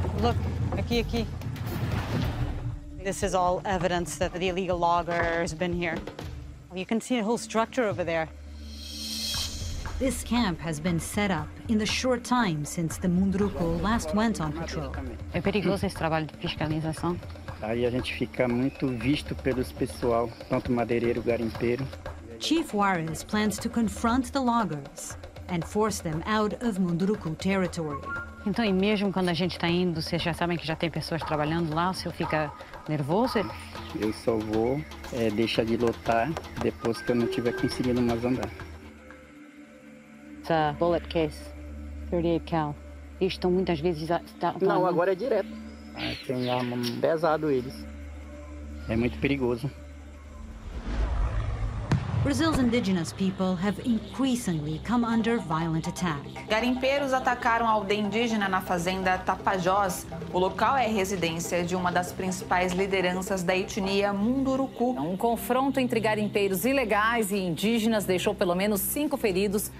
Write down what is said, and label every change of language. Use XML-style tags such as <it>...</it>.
<en>Look,</en> <pt>aqui, aqui.</pt> <en>This is all evidence that the illegal logger has been here. You can see a whole structure over there. This camp has been set up in the short time since the Munduruku last went on patrol.</en> <pt>É perigoso esse trabalho de fiscalização. Aí a gente fica muito visto pelos pessoal, tanto madeireiro, garimpeiro.</pt> <en>Chief Juarez plans to confront the loggers and force them out of Munduruku territory.</en> <pt>Então, e mesmo quando a gente está indo, vocês já sabem que já tem pessoas trabalhando lá, o senhor fica nervoso? Eu só vou deixar de lutar depois que eu não tiver conseguido mais andar.</pt> <en>It's a bullet case, 38 cal.</en> <pt>Eles estão muitas vezes... Não, agora é direto. Tem arma pesado eles. É muito perigoso.</pt> <en>Brazil's indigenous people have increasingly come under violent attack.</en> <pt>Garimpeiros atacaram a aldeia indígena na fazenda Tapajós. O local é residência de uma das principais lideranças da etnia Munduruku. Um confronto entre garimpeiros ilegais e indígenas deixou pelo menos 5 feridos.</pt>